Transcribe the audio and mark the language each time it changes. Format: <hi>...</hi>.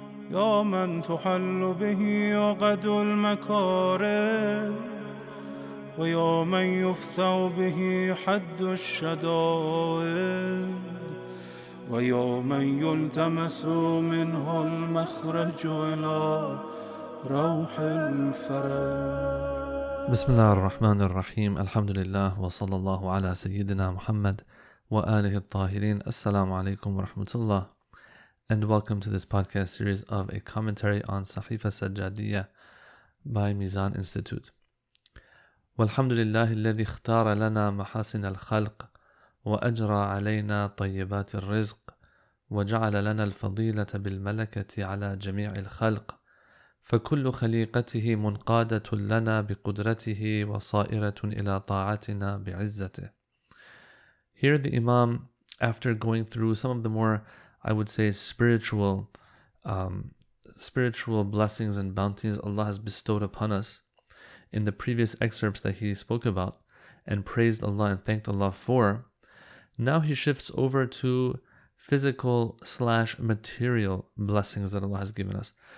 <ar>يا من تحل به عقد المكاره، ويا من يفثى به حد الشدائد، ويا من يلتمس منه المخرج إلى روح الفرج. بسم الله الرحمن الرحيم. الحمد لله، وصلى الله على سيدنا محمد وآله الطاهرين. السلام عليكم ورحمة الله.</ar> <en>And welcome to this podcast series of a commentary on Sahifa Sajjadiyya by Mizan Institute.</en> <ar>والحمد لله الذي اختار لنا محاسن الخلق وأجرى علينا طيبات الرزق وجعل لنا الفضيلة بالملكة على جميع الخلق، فكل خليقته منقادة لنا بقدرته وصائرة إلى طاعتنا بعزته.</ar> <en>Here the Imam, after going through some of the more, I would say, spiritual blessings and bounties Allah has bestowed upon us in the previous excerpts that he spoke about and praised Allah and thanked Allah for, now he shifts over to physical / material blessings that Allah has given us.</en>